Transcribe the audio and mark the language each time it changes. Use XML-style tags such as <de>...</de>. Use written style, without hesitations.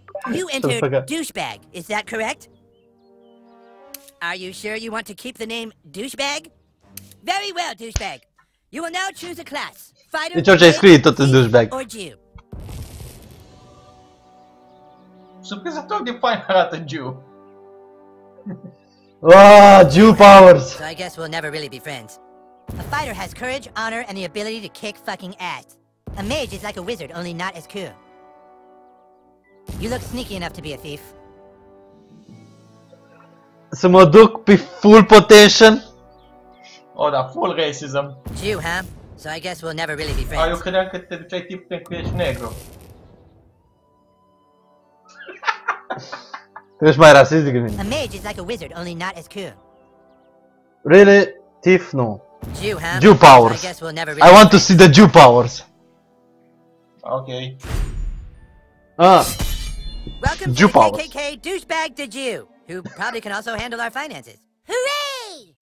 <en>You entered douchebag, is that correct? Are you sure you want to keep the name douchebag? Very well, douchebag. You will now choose a class. Fighter,</en> <ro>deci orice ai scris, tot în douchebag.</ro> <en>Or Jew.</en> <ro>Surprinzător de fain arată Jew.</ro> <en>Ah, Jew powers. So I guess we'll never really be friends. A fighter has courage, honor, and the ability to kick fucking ass. A mage is like a wizard, only not as cool. You look sneaky enough to be a thief.</en> <ro>Să mă duc pe</ro> <en>full potential. Oh, da, full racism. Jew, huh? So I guess we'll never really be friends.</en> <ro>Ah, eu credeam că te duceai tip pentru că ești negru. Tu ești mai rasist decât mine.</ro> <en>A mage is like a wizard, only not as cool. Really? Thief? No. Jew, huh? Jew powers. I guess we'll never really I want to see the Jew powers. Okay. Welcome Jew to powers. The KKK douchebag the Jew, who probably can also handle our finances. Hooray!</en>